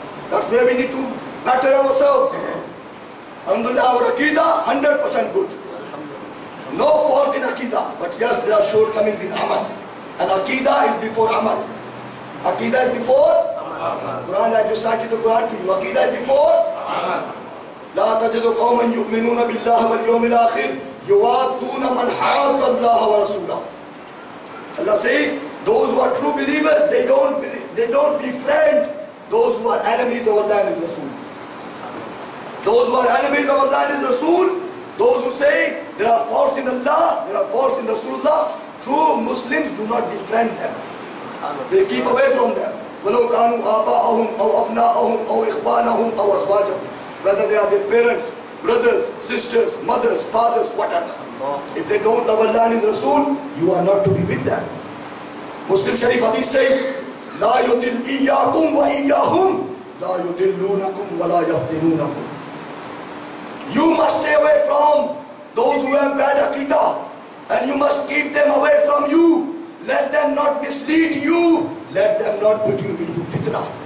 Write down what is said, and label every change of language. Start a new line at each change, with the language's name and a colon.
English: That's where we need to better ourselves. Alhamdulillah, our Aqeedah 100% good. No fault in Aqeedah, but yes, there are shortcomings in Amal. And Aqeedah is before Amal. Aqeedah is before Amal. Quran, I just cited the Quran to you. Aqeedah is before Amal.
Arabic: لا تجد قوما يؤمنون بالله واليوم الآخر يوادون من حاد الله ورسوله.
English: Allah says, those who are true believers, they don't befriend those who are enemies of Allah and His Rasul. Those who are enemies of Allah and His Rasul, those who say there are faults in Allah, there are faults in Rasulullah, true Muslims do not befriend them. They keep away from them.
Arabic: وَلَوْ كَانُوا آبَاءَهُمْ أَوْ أَبْنَاءَهُمْ أَوْ إِخْوَانَهُمْ أَوْ أَزْوَاجَهُمْ.
English: Whether they are their parents, brothers, sisters, mothers, fathers, whatever. If they don't love Allah and His Rasul, you are not to be with them. Muslim Sharif Hadith says,
Arabic: لا يدل إياكم وإياهم لا يدلونكم ولا يفتنونكم.
English: You must stay away from those who have bad aqidah, and you must keep them away from you. Let them not mislead you. Let them not put you into fitna.